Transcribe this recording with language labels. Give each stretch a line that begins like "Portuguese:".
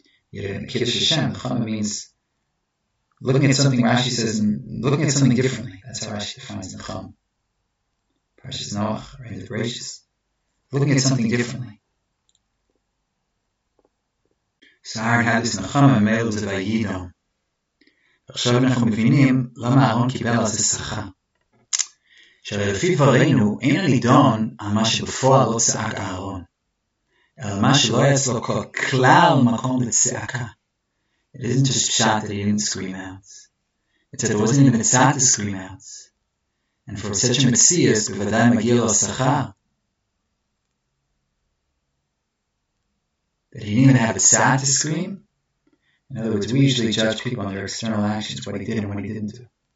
English: Yet in Kiddush Hashem, nechama means looking at something, Rashi says, and looking at something differently. That's how Rashi defines nechama. Parashas Noach, right, the gracious. Looking at something differently. So Aaron had this nechama, and Mel was a vayidom.
Hebrew: עכשיו אנחנו מבינים למה אהרון קיבל על זה שכה. שהרי לפי דברינו, אין הלידון על מה שבפועל לא צעק אהרון, אלא מה שלא היה אצלו כלל מקום לצעקה.
English: It isn't just pshat that he didn't scream out. It's that it wasn't even pshat to scream out. And for such a messias,
Hebrew: בוודאי מגיע לו השכה.
English: That he didn't even have a tzad to scream. In other words, we usually judge people on their external actions, what he did and what he didn't do.